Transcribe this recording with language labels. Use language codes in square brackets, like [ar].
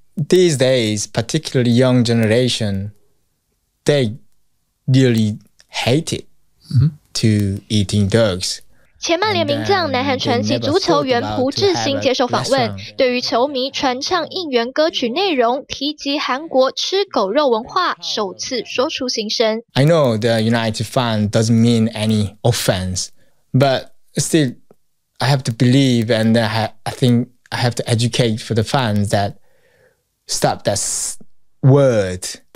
[en] These days, particularly young generation, they really hate it to eating dogs. [zh] 前曼联名将南韩传奇足球员朴智星接受访问， 对于球迷传唱应援歌曲内容提及韩国吃狗肉文化首次说出心声。 [en] I know the United fan doesn't mean any offense, but still, I have to believe and I think I have to educate for the fans that stop that word.